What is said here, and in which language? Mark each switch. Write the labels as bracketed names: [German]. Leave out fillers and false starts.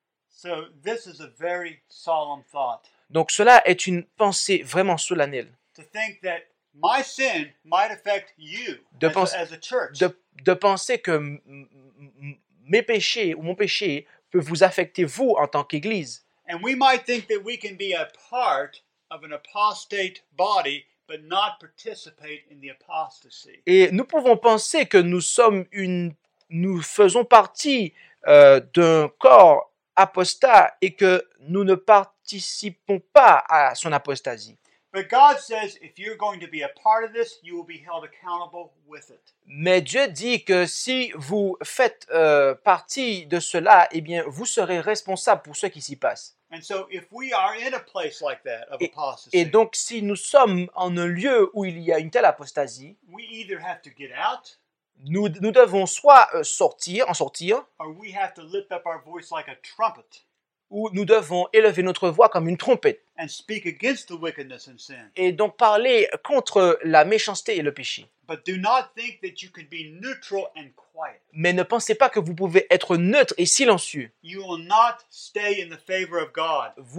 [English] So, this is a very solemn thought. [French] Donc cela est une pensée vraiment solennelle. [English] To think that my sin might affect you as a church. [French] De penser que mes péchés ou mon péché peut vous affecter vous en tant qu'église. [English] And we might think that we can be a part of an apostate body but not participate in the apostasy. [French] Et nous pouvons penser que nous faisons partie d'un corps apostat et que nous ne participons pas à son apostasie. [English] But God says if you're going to be a part of this, you will be held accountable with it. [French] Mais Dieu dit que si vous faites partie de cela, eh bien vous serez responsable pour ce qui s'y passe. [English] And so if we are in a place like that of apostasy. [French] Et donc si nous sommes en un lieu où il y a une telle apostasie, [English] we either have to get out. [French] Nous devons soit sortir, [English] or we have to lift up our voice like a trumpet. [French] Où nous devons élever notre voix comme une trompette [English] and speak against the wickedness and sin. [French] Et donc parler contre la méchanceté et le péché. [English] But do not think that you can be neutral and quiet. [French] Mais ne pensez pas que vous pouvez être neutre et silencieux. [English] You will not stay in the favor of God.